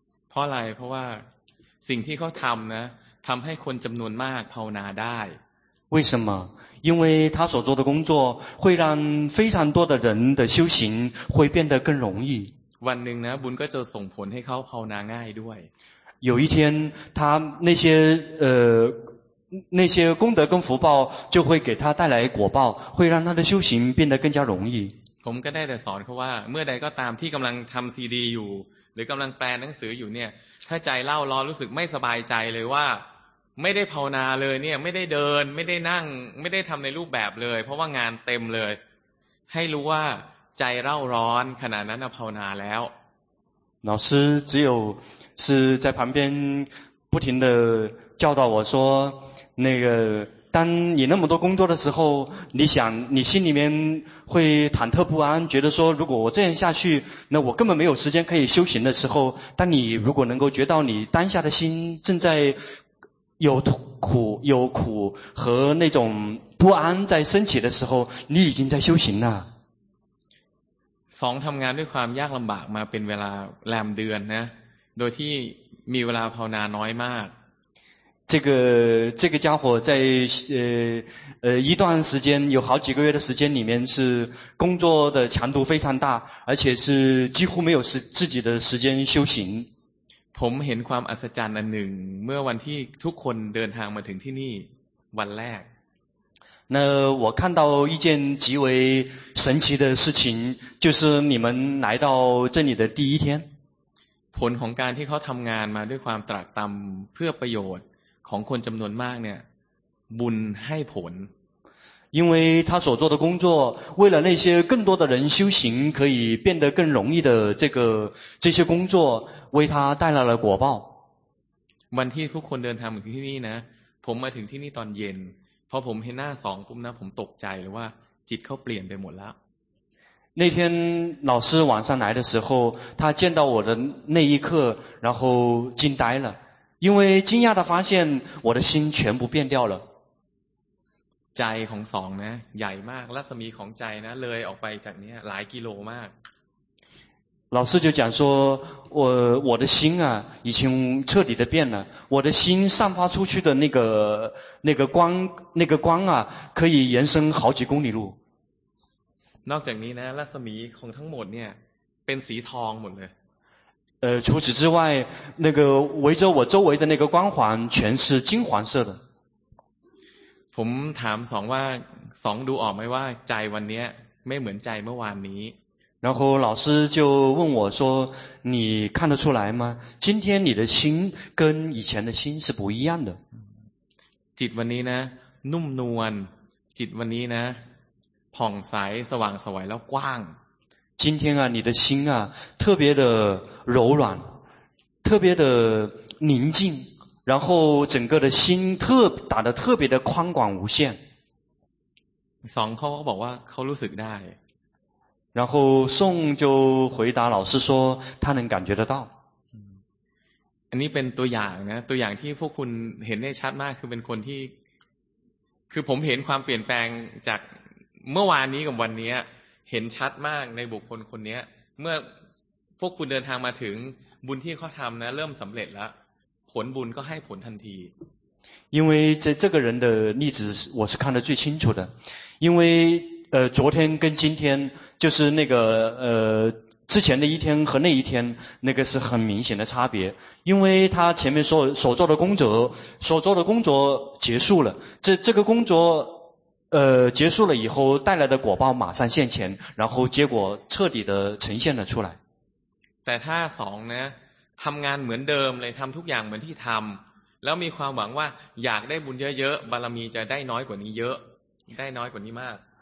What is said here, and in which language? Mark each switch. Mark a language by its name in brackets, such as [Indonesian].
[Thai] เพราะอะไรเพราะว่าสิ่งที่เขาทำนะทำให้คนจำนวนมากภาวนาได้ [Chinese] 为什么因为他所做的工作会让非常多的人的修行会变得更容易 [Thai] วันหนึ่งนะบุญก็จะส่งผลให้เขาภาวนาง่ายด้วย [Chinese] 有一天他那些功德跟福报就会给他带来果报会让他的修行变得更加容易 [Thai] ผมก็ได้แต่สอนเขาว่าเมื่อใดก็ตามที่กำลังทำซีดีอยู่หรือกำลังแปลหนังสืออยู่เนี่ยถ้าใจเล่าร้อนรู้สึกไม่สบายใจเลยว่าไม่ได้ภาวนาเลยเนี่ยไม่ได้เดินไม่ได้นั่งไม่ได้ทำในรูปแบบเลยเพราะว่างานเต็มเลยให้รู้ว่าใจเล่าร้อนขนาดนั้นภาวนาแล้ว [Chinese] 老师只有是在旁边不停的教导我说那个当你那么多工作的时候你想你心里面会忐忑不安觉得说如果我这样下去那我根本没有时间可以修行的时候当你如果能够觉到你当下的心正在有苦和那种不安在升起的时候你已经在修行了 [Thai] 2ทำงานด้วยความยากลำบากมาเป็นเวลาแรมเดือนนะโดยที่มีเวลาภาวนาน้อยมาก เจ้าหัวใจ [Chinese] 一段时间有好几个月的时间里面是工作的强度非常大而且是几乎没有自己的时间修行 [Thai] ผมเห็นความอัศจรรย์อันหนึ่งเมื่อวันที่ทุกคนเดินทางมาถึงที่นี่วันแรก [Chinese] 那我看到一件极为神奇的事情，就是你们来到这里的第一天。 [Thai] ผลของการที่เขาทำงานมาด้วยความตรากตรำเพื่อประโยชน์ของคนจำนวนมากเนี่ยบุญให้ผล [Chinese] 因为他所做的工作为了那些更多的人修行可以变得更容易的这些工作为他带来了果报 [Thai] วันที่ทุกคนเดินทางมาที่นี่นะผมมาถึงที่นี่ตอนเย็นพอผมเห็นหน้าสองปุ๊บนะผมตกใจเลยว่าจิตเขาเปลี่ยนไปหมดแล้ว [Chinese] 那天老师晚上来的时候他见到我的那一刻然后惊呆了因为惊讶地发现我的心全部变掉了 [Thai] ใจของสองนะใหญ่มากรัศมีของใจนะเลยออกไปจากนี้หลายกิโลมาก [Chinese] 老师就讲说我的心啊已经彻底的变了我的心散发出去的那个光啊可以延伸好几公里路 [Thai] นอกจากนี้นะรัศมีของทั้งหมดเนี่ยเป็นสีทองหมดเลย [Chinese] 除此之外那个围着我周围的那个光环全是金黄色的 [Thai] ผมถามสองว่าสองดูออกไหมว่าใจวันนี้ไม่เหมือนใจเมื่อวานนี้ [Chinese] 然后老师就问我说你看得出来吗今天你的心跟以前的心是不一样的 [Thai] จิตวันนี้นะนุ่มนวลจิตวันนี้นะผ่องใสสว่างสวยแล้วกว้าง [Chinese] 今天啊你的心啊特别的柔软特别的宁静然后整个的心打得特别的宽广无限 [Thai] สองเขาบอกว่าเขารู้สึกได้ [Chinese] 然后宋就回答老师说他能感觉得到 [Thai] อันนี้เป็นตัวอย่างนะตัวอย่างที่พวกคุณเห็นได้ชัดมากคือเป็นคนที่คือผมเห็นความเปลี่ยนแปลงจากเมื่อวานนี้กับวันนี้เห็นชัดมากในบุคคลคนนี้เมื่อพวกคุณเดินทางมาถึงบุญที่เขาทำนะเริ่มสำเร็จแล้วผลบุญก็ให้ผลทันที [Chinese] 因为这个人的例子我是看得最清楚的因为昨天跟今天就是那个之前的一天和那一天那个是很明显的差别因为他前面所做的工作结束了这个工作结束了以后带来的果报马上现前然后结果彻底的呈现了出来 [Thai] แต่ถ้าสองねทำงานเหมือนเดิมเลยทำทุกอย่างเหมือนที่ทำแล้วมีความหวังว่าอยากได้บุญเยอะๆบารมีจะได้น้อยกว่านี้เยอะได้น้อยกว่านี้มาก